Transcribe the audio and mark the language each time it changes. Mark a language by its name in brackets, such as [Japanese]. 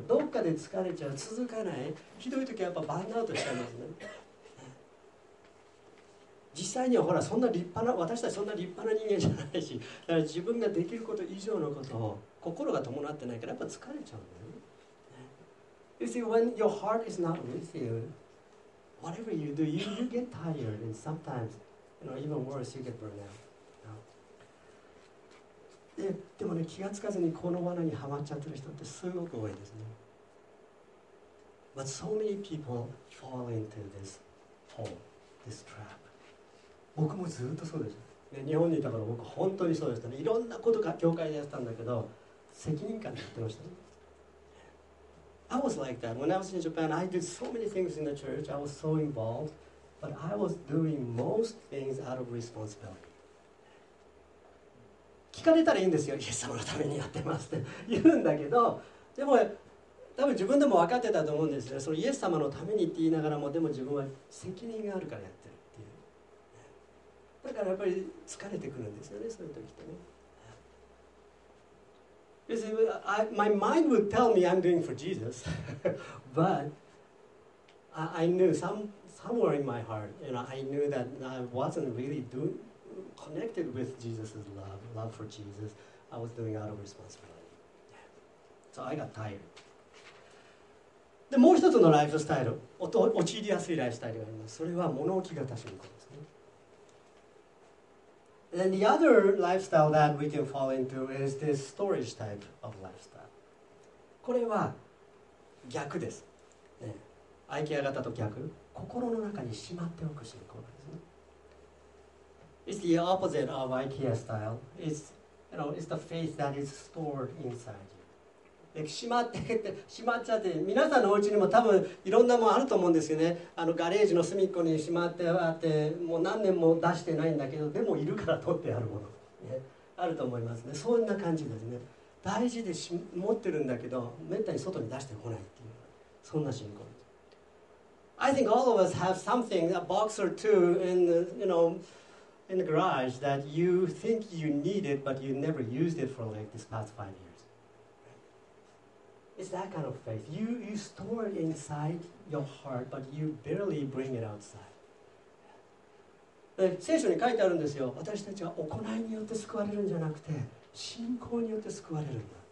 [Japanese] どっかで疲れちゃう、続かない。ひどい時はやっぱバーンアウトしちゃいますね。実際にはほら、そんな立派な、私たちそんな立派な人間じゃないし、だから自分ができること以上のことを、心が伴ってないから、やっぱ疲れちゃうんだよね。 [English] You see, when your heart is not with you,Whatever you do, you get tired, and sometimes, you know, even worse, you get burned out. [Japanese] でもね、気がつかずにこの罠にはまっちゃってる人ってすごく多いですね。 [English] But so many people fall into this this trap. [Japanese] 僕もずっとそうです。ね、日本にいた頃、僕本当にそうでしたね。いろんなことが教会でやったんだけど、責任感でやってました、ね。 [English] I was like that. When I was in Japan, I did so many things in the church. I was so involved. But I was doing most things out of responsibility. [Japanese] 聞かれたらいいんですよ。イエス様のためにやってますって言うんだけど、でも多分自分でも分かってたと思うんですよ。そのイエス様のためにって言いながらも、でも自分は責任があるからやってるっていう。だからやっぱり疲れてくるんですよね、そういう時ってね。 [English] You see, my mind would tell me I'm doing for Jesus, but I knew somewhere in my heart, you know, I knew that I wasn't really doing, connected with Jesus' love for Jesus. I was doing out of responsibility. So I got tired. [Japanese] で、もう一つのライフスタイル、陥りやすいライフスタイルがあります。それは物置型信仰ですね。 [English] And the other lifestyle that we can fall into is this storage type of lifestyle. [Japanese] これは逆です。ね、IKEA 型と逆。心の中にしまっておく信仰ですね。 [English] It's the opposite of IKEA style. It's, you know, it's the faith that is stored inside you. [Japanese] しまってって、しまっちゃって、皆さんのお家にも多分いろんなものあると思うんですよね。あのガレージの隅っこにしまってあって、もう何年も出してないんだけど、でもいるから取ってあるもの、ね、あると思いますね。そんな感じですね。大事で持ってるんだけど、めったに外に出してこないっていう、そんな信仰。 [English] I think all of us have something, a box or two in the, you know, in the garage that you think you need it, but you never used it for like this past 5 years. It's that kind of faith. You store it inside your heart, but you barely bring it outside. [Japanese] で、聖書に書いてあるんですよ。私たちは行いによって救われるんじゃなくて、信仰によって救われるんだ。